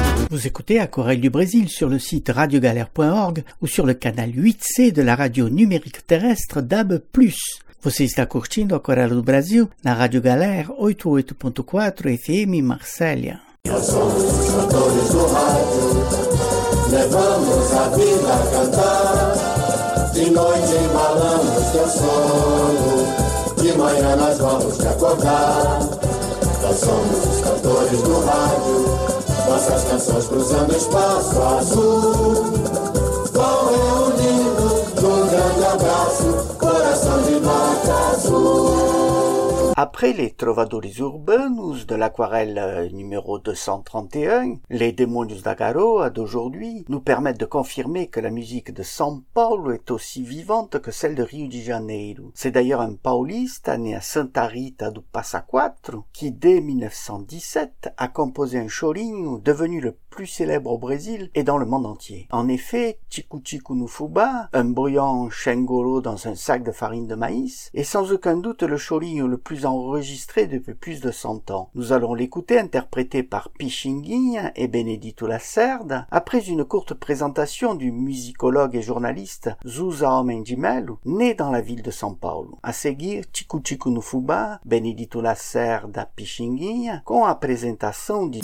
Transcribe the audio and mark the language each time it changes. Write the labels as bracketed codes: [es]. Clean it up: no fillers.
[fr] Vous écoutez A Corelle du Brésil sur le site radiogalère.org ou sur le canal 8C de la radio numérique terrestre DAB+. [pt] Você está curtindo A Corelle do Brasil na Radio Galère 88.4 FM Marselha. Nós somos os cantores do rádio, levamos a vida a cantar. De noite embalamos teu sono, de manhã nós vamos te acordar. Nós somos os cantores do rádio, nossas canções cruzando espaço azul. Vão reunindo um grande abraço, coração de marca azul. [fr] Après les Trovadores Urbanos de l'aquarelle numéro 231, les Demônios da Garoa d'aujourd'hui nous permettent de confirmer que la musique de São Paulo est aussi vivante que celle de Rio de Janeiro. C'est d'ailleurs un paulista né à Santa Rita do Passa Quatro qui, dès 1917, a composé un chorinho devenu le plus célèbre au Brésil et dans le monde entier. En effet, Tico Tico no Fubá, un bruyant chengolo dans un sac de farine de maïs, est sans aucun doute le chorinho le plus enregistré depuis plus de 100 ans. Nous allons l'écouter interprété par Pixinguinha et Benedito Lacerda après une courte présentation du musicologue et journaliste Zusa Homem de Melo, né dans la ville de São Paulo. [pt] À seguir, Tico Tico no Fubá, Benedito Lacerda, Pixinguinha, com a apresentação de